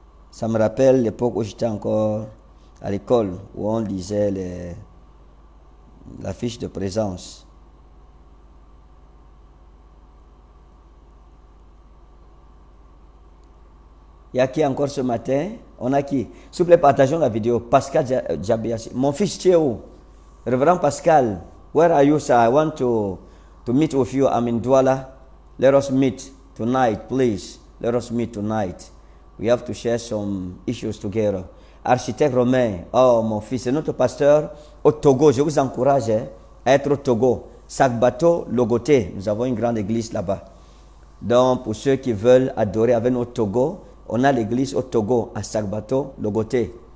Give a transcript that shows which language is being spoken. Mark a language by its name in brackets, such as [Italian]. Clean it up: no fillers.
[French] Ça me rappelle l'époque où j'étais encore à l'école, où on lisait la fiche de présence. Il y a qui encore ce matin? On a qui? S'il vous plaît, partageons la vidéo. Pascal Djabiasi. Mon fils, tu es où? [English] Reverend Pascal, where are you, sir? I want to meet with you. I'm in Douala. Let us meet tonight, please. Let us meet tonight. We have to share some issues together. [French] Architecte Romain. Oh, mon fils, c'est notre pasteur au Togo. Je vous encourage à être au Togo. Sakbato Logoté. Nous avons une grande église là-bas. Donc, pour ceux qui veulent adorer avec nous au Togo, on a l'église au Togo, à Sakbato, Logoté.